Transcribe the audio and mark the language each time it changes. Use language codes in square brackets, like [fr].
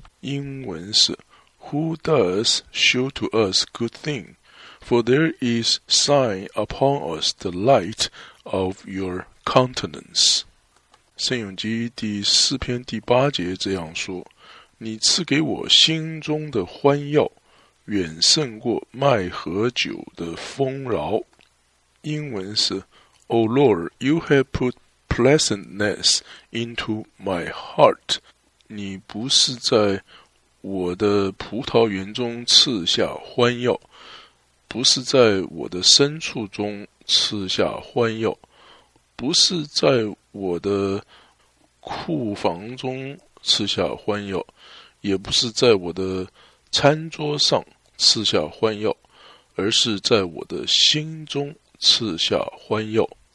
[zh] 英文是 [en] Who does show to us good thing? For there is sign upon us the light of your countenance。 [zh] 圣咏集第4篇第8节这样说，你赐给我心中的欢耀，远胜过麦和酒的丰饶。英文是 [en] O Lord, you have put pleasantness into my heart。 [zh] 你不是在我的葡萄园中赐下欢耀，不是在我的深处中赐下欢耀，不是在我的库房中赐下欢耀，也不是在我的餐桌上赐下欢耀，而是在我的心中赐下欢耀。